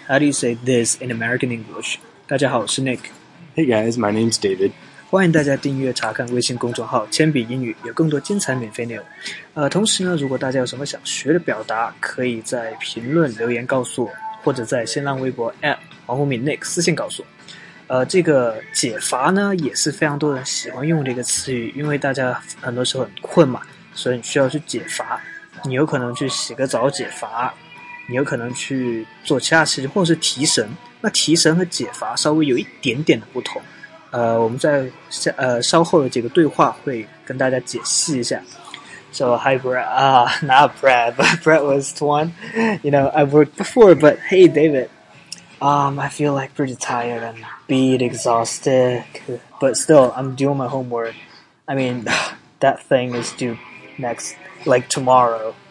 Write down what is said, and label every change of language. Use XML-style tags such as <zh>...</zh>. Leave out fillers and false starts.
<en>How do you say this in American English?</en> <zh>大家好，我是 Nick。</zh> <en>Hey guys, my name's David.</en> <zh>欢迎大家订阅查看微信公众号铅笔英语，有更多精彩免费内容。同时呢，如果大家有什么想学的表达，可以在评论留言告诉我，或者在新浪微博 @ 黄宏敏 Nick 私信告诉我。这个解乏呢，也是非常多人喜欢用这个词语，因为大家很多时候很困嘛，所以你需要去解乏。你有可能去洗个澡解乏，你有可能去做其他事情，或者是提神。那提神和解乏稍微有一点点的不同，我们在稍后的这个对话会跟大家解释一下。</zh> <en>So hi Brad, not Brad, but Brad was the one, you know, I worked before, but hey David, I feel like pretty tired and beat exhausted, but still, I'm doing my homework. I mean, that thing is due next. Like tomorrow.</en>